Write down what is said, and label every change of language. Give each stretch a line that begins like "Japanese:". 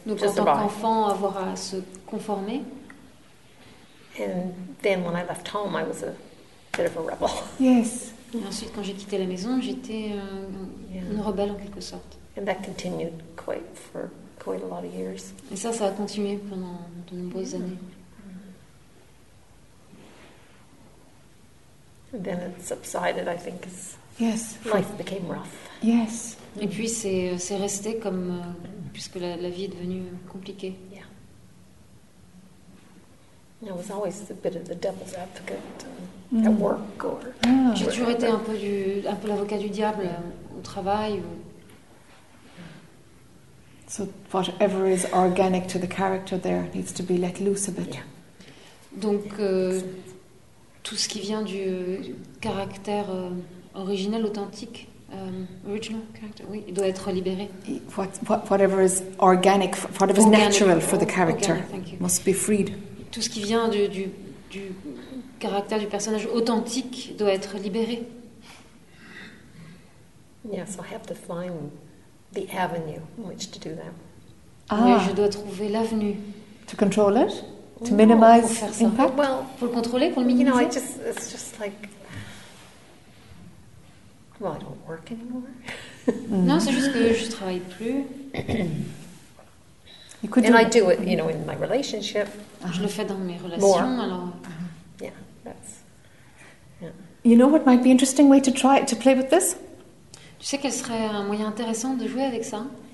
French: Donc en tant qu'enfant, avoir à se conformer.
English: And then when I left home, I was a bit of a rebel. Yes.
French: Et ensuite, quand j'ai quitté la maison, j'étais une rebelle en quelque sorte.
English: And that continued for quite a lot of years.
French: Et ça, ça a continué pendant de nombreuses années.
English: And then it subsided, I think, as life became rough. Yes.
French: Et puis c'est resté comme puisque la vie est devenue compliquée.
English: Yeah. I was always a bit of the devil's advocate at work, or
French: j'ai toujours été un peu l'avocat du diable au travail. Ou...
English: So whatever is organic to the character there needs to be let loose a bit.
French: Donc tout ce qui vient du caractère originel, authentique,
English: original character,
French: oui, il doit être libéré.
English: Whatever is organic, whatever is natural for the character, organic, must be freed.
French: Tout ce qui vient du caractère du personnage authentique doit être libéré.
English: Yeah, so I have to find the avenue in which to do that.
French: Ah, oui, je dois trouver l'avenue.
English: To control it. To minimize impact.
French: Well, pour le contrôler, pour le minimiser.
English: You know, it's just like, well, I don't work anymore.
French: Non, c'est juste que je travaille plus.
English: You could and I do it, you know, in my relationship.
French: Je le fais dans mes relations.
English: More.
French: Alors.
English: Yeah, that's. Yeah. You know what might be interesting way to try to play with this?
French: Tu sais quel serait un moyen intéressant de jouer avec ça?